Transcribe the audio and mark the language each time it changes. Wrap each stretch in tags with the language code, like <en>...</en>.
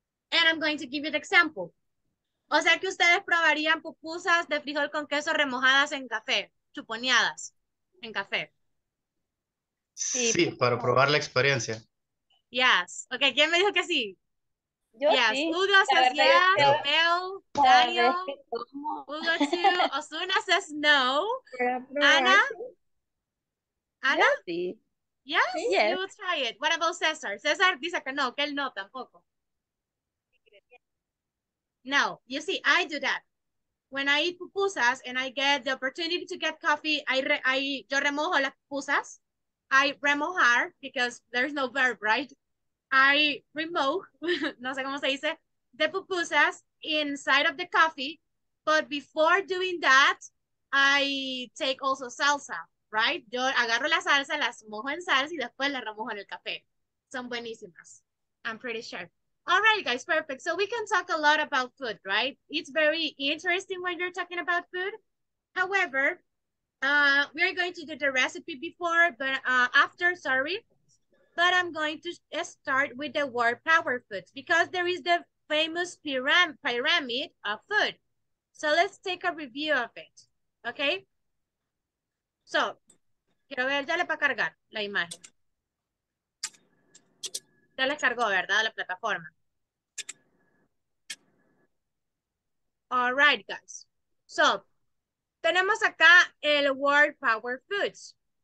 <en>And I'm going to give you the example.</en> <es>O sea que ustedes probarían pupusas de frijol con queso remojadas en café, chuponeadas en café. Sí, para probar la experiencia.</es> <en>Yes. Okay,</en> <es>¿quién me dijo que sí? Yo</es> <en>yes.</en> <es>Sí.</es> <en>Hugo says yes. Mel, Daniel, Hugo too. Osuna says no. Ana? Ana? Yes,</en> <es>sí.</es> <en>Yes? Yes, you will try it. What about Cesar?</en> <es>Cesar dice que él no tampoco.</es> <en>No, you see, I do that. When I eat pupusas and I get the opportunity to get coffee,</en> <es>yo remojo las pupusas.</es> <en>I remojar, because there's no verb, right? I remove,</en> <es>no sé cómo se dice,</es> <en>the pupusas inside of the coffee. But before doing that, I take also salsa, right?</en> <es>Yo agarro la salsa, las mojo en salsa y después la remojo en el café. Son buenísimas,</es> <en>I'm pretty sure. All right, guys, perfect. So we can talk a lot about food, right? It's very interesting when you're talking about food. However, we are going to do the recipe after, but I'm going to start with the word power foods because there is the famous pyramid of food. So let's take a review of it, okay?</en> <es>So, quiero ver, dale para cargar la imagen. Ya le cargó, ¿verdad? La plataforma.</es> <en>All right, guys. So,</en> <es>tenemos acá el</es> <en>word power foods.</en>